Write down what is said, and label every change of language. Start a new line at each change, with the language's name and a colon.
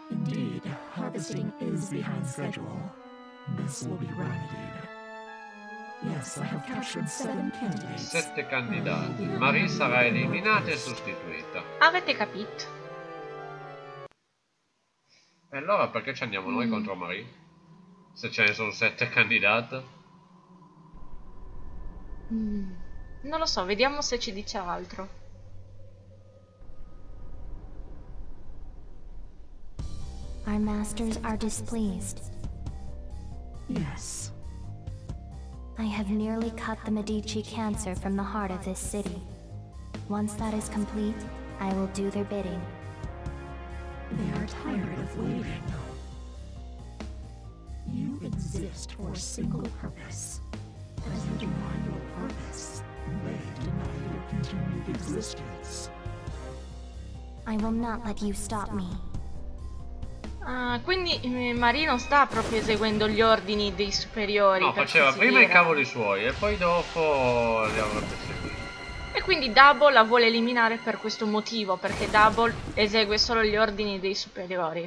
English: Indeed, harvesting is behind schedule. This will be remedied. Yes, I have captured 7 candidates.
Italian: 7 candidati. Marie sarà eliminata e sostituita. Avete capito? E allora perché ci andiamo noi contro Marie? Se ce ne sono 7 candidate? Non lo so, vediamo se ci dice altro.
English: Our masters are displeased. Yes. I have nearly cut the Medici cancer from the heart of this city. Once that is complete, I will do their bidding. They are tired of waiting. You exist for a single purpose. As you deny your purpose, you may deny your continued existence. I will not let you stop me.
Italian: Quindi Marino sta proprio eseguendo gli ordini dei superiori. No, faceva prima i cavoli suoi e poi dopo li avrebbe seguiti. E quindi Double la vuole eliminare per questo motivo, perché Double esegue solo gli ordini dei superiori.